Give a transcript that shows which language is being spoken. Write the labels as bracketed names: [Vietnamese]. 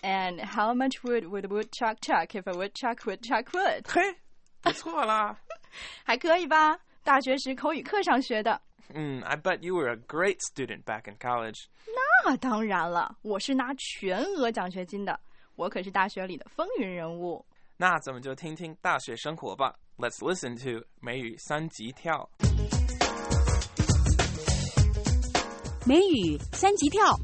[English] And how much wood would wood chuck chuck if a wood chuck would chuck wood? [Chinese] 嘿，不错啦。还可以吧，大学时口语课上学的。 [English] I bet you were a great student back in college. [Chinese] 那当然了，我是拿全额奖学金的，我可是大学里的风云人物。那咱们就听听大学生活吧。 [English] Let's listen to 美语三级跳。 [Chinese] 美语三级跳，